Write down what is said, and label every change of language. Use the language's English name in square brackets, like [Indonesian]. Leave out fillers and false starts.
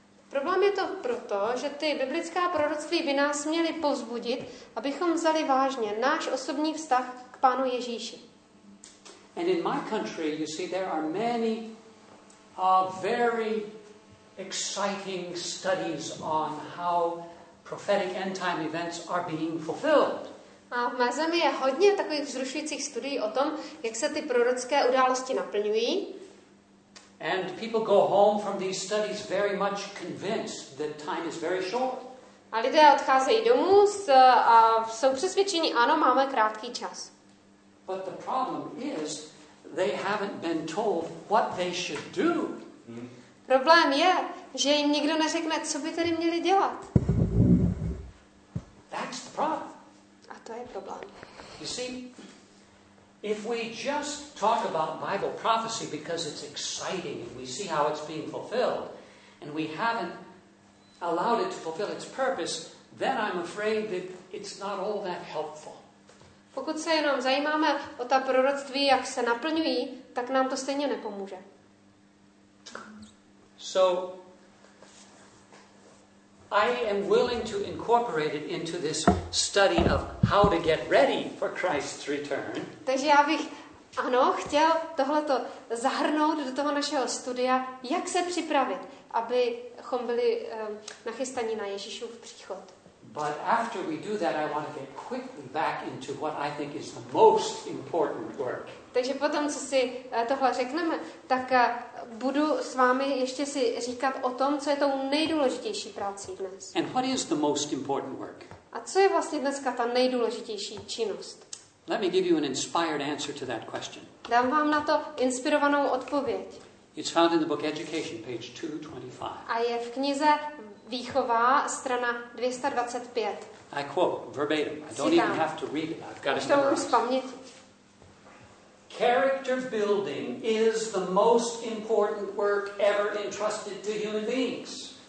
[Czech] Problém je to proto, že ty biblická proroctví by nás měly povzbudit, abychom vzali vážně náš osobní vztah k Pánu Ježíši. [English] And in my country, you see, there are many very exciting studies on how prophetic end-time events are being fulfilled. [Czech] A v mé zemi je hodně takových vzrušujících studií o tom, jak se ty prorocké události naplňují. [English] And people go home from these studies very much convinced that time is very short. [Czech] A lidé odcházejí domů a jsou přesvědčeni, ano, máme krátký čas. [English] But the problem is they haven't been told what they should do. [Czech] Problém je, že jim nikdo neřekne, co by tedy měli dělat. [English] That's the problem. [Czech] A to je problém. [English] You see, if we just talk about Bible prophecy because it's exciting and we see how it's being fulfilled and we haven't allowed it to fulfill its purpose, then I'm afraid that it's not all that helpful. [Czech] Pokud se jenom zajímáme o ta proroctví, jak se naplňují, tak nám to stejně nepomůže. [English] So I am willing to incorporate it into this study of how to get ready for Christ's return. [Czech] Takže já bych ano, chtěl tohleto zahrnout do toho našeho studia, jak se připravit, abychom byli nachystaní na Ježíšův příchod. [English] But after we do that, I want to get quickly back into what I think is the most important work. [Czech] Takže potom, co si tohle řekneme, tak budu s vámi ještě si říkat o tom, co je tou nejdůležitější práci dnes. [English] And what is the most important work? [Czech] A co je vlastně dneska ta nejdůležitější činnost? [English] Let me give you an inspired answer to that question. [Czech] Dám vám na to inspirovanou odpověď. [English] It's found in the book Education, page 225. [Czech] A je v knize Výchova, strana 225. [English] I quote verbatim. I don't even have to read it. I've got it memorized. Character building is the most important work ever entrusted to human beings.